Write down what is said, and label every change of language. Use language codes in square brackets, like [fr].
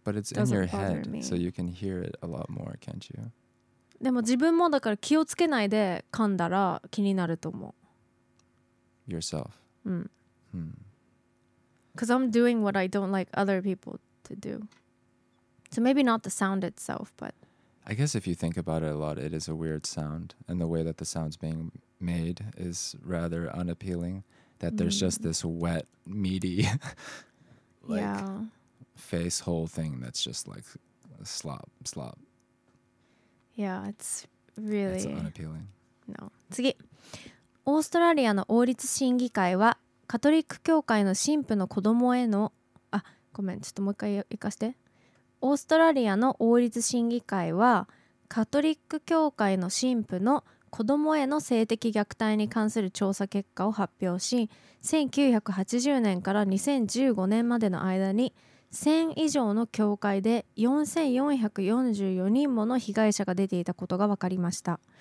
[en] but it's in your head, so you can hear it a lot more, can't you? [ja] でも自分もだから気をつけないで噛んだら気になると思う。 [en] Yourself. Because I'm doing what I don't like other people to do. So maybe not the sound itself, but... I guess if you think about it a lot, it is a weird sound. And the way that the sound's being made is rather unappealing. That there's just this wet, meaty... Like, yeah. Face whole thing that's just like slop, slop. Yeah, it's really... It's unappealing. No. [ja] 次。オーストラリアの王立審議会は、カトリック教会の神父の子供への、あ、ごめん、ちょっともう一回行かせて。オーストラリアの王立審議会は、カトリック教会の神父の子どもへの性的虐待に関する調査結果を発表し、1980年から2015年までの間に1000以上の教会で4444人もの被害者が出ていたことが分かりました。